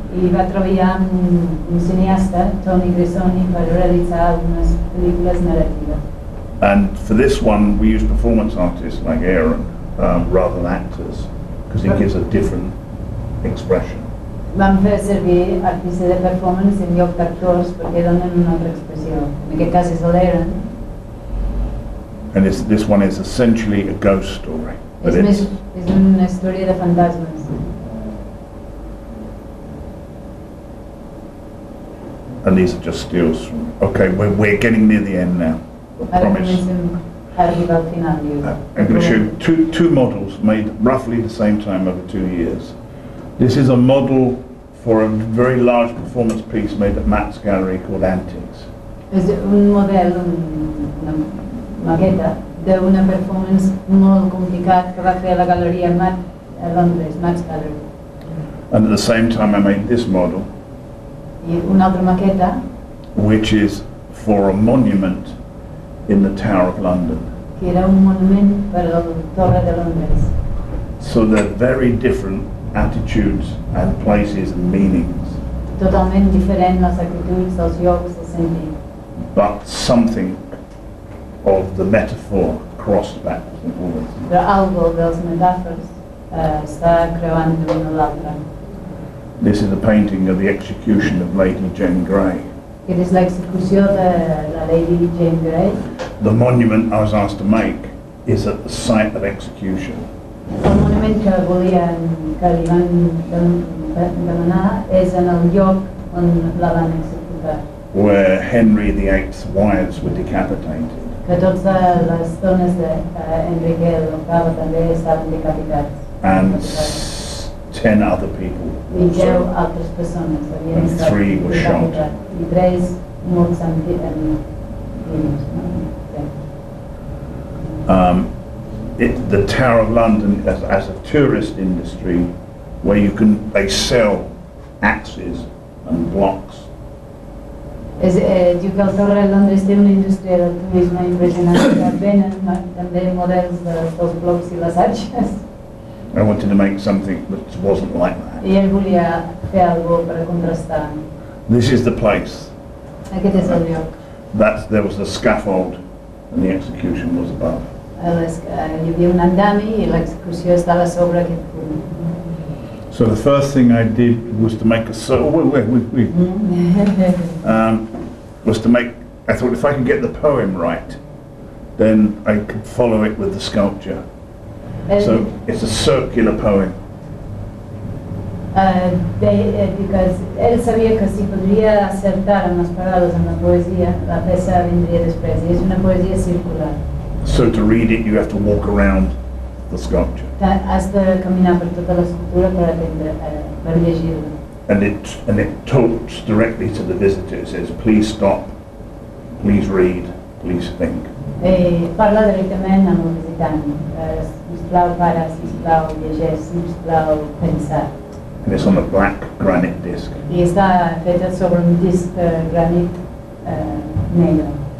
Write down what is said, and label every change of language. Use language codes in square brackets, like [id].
[ca] I va treballar amb un cineasta, Tony Grazzoni, per realitzar algunes pel·lícules narratives. [en] And for this one, we use performance artists like Aaron, rather than actors, because it gives a different expression. [ca] Vam fer servir artistes de performance en lloc d'actors perquè donen una altra expressió. En aquest cas és l'Aaron. [en] And this one is essentially a ghost story. [ca] És una història de fantasmes. [en] And these are just stills from... Okay, we're getting near the end now, I promise. I'm going to show two models made roughly the same time over 2 years. This is a model for a very large performance piece made at Matt's gallery called Antics. [ca] Es un model, una maqueta, de una performance molt complicat que va fer a la galeria Matt a Londres, Matt's gallery. [en] And at the same time I made this model. [ca] Una altra maqueta, [en] which is for a monument in the Tower of London. [ca] Que era un monument per la Torre de Londres. [en] So they're very different attitudes and places and meanings. [ca] Totalment diferent les actituds, els llocs, els sentits. [en] But something of the metaphor crossed back to the walls. [ca] Però algo dels metàfors està creuant d'un a l'altre. [en] This is a painting of the execution of Lady Jane Grey. It is [ca] l'execució de la Lady Jane Grey. [en] The monument I was asked to make is at the site of execution. [ca] El monument que volien que li van demanar és en el lloc on la van executar. [en] where Henry VIII's wives were decapitated. [es] 14 las donas de Enrique el Octavo también estaban decapitadas. [en] And 10 other people also. And 3 were shot. The Tower of London as a tourist industry, where you can, they sell axes and blocks. [ca] Es diu que el Torre de Londres té una indústria del turisme impressionant, que venen també models dels blocs i les atxes. [en] I wanted to make something that wasn't like that. [ca] I ell volia fer algo per contrastar. [en] This is the place. [ca] Aquest és el lloc. [en] There was a scaffold and the execution was above. [ca] Hi havia un andami i l'execució estava sobre aquest punt. [en] So the first thing I did was to make a circle. I thought if I could get the poem right, then I could follow it with the sculpture. So it's a circular poem. [es] Because él sabía que si podría acertar en las palabras en la poesía, la pieza vendría después. Y es una poesía circular. [en] So to read it, you have to walk around the sculpture. [ca] Has de caminar per tota l'escultura per atendre, per llegir-la. [en] And it talks directly to the visitor. It says, please stop, please read, please think. [ca] Parla directament amb el visitant. Sisplau, para, sisplau, llegeix, sisplau, pensa. [en] And it's on a black granite disc. [ca] I està feta sobre un disc granit negre.